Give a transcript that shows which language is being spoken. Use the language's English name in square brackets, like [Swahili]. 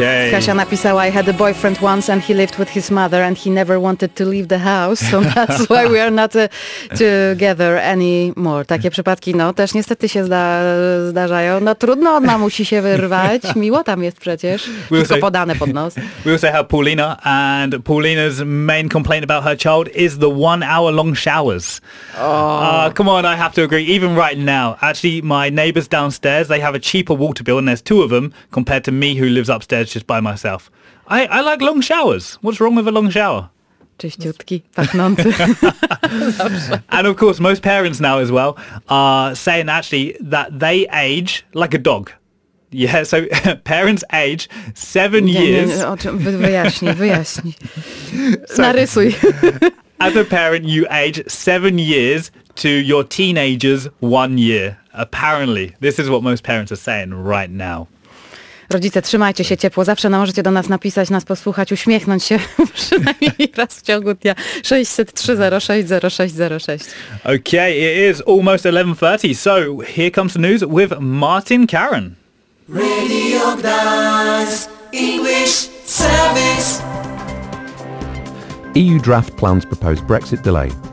[English] Kasia [Polish] napisała, [English] I had a boyfriend once and he lived with his mother and he never wanted to leave the house, so that's why we are not together anymore. [Polish] Takie przypadki, no, też niestety się zdarzają. No trudno, ona musi się wyrwać. Miło tam jest przecież. Wszystko podane pod nos. [English] We also have Paulina, and Paulina's main complaint about her child is the 1 hour long showers. Oh. Come on, I have to agree. Even right now, actually, my neighbors downstairs, they have a cheaper water bill and there's two of them compared to me who lives upstairs just by myself. I like long showers. What's wrong with a long shower? [Polish] Czyściutki, pachnący. [English] And of course, most parents now as well are saying actually that they age like a dog. Yeah, so parents age 7 years. [Polish] Wyjaśnij. Narysuj. [English] As a parent, you age 7 years to your teenager's 1 year. Apparently, this is what most parents are saying right now. [Polish] Rodzice, trzymajcie się ciepło. Zawsze możecie do nas napisać, nas posłuchać, uśmiechnąć się przynajmniej raz w ciągu dnia. 603-060606. [English] Okay, it is almost 11:30. So here comes the news with Martin Caron. Radio Gdańsk English Service. EU draft plans propose Brexit delay.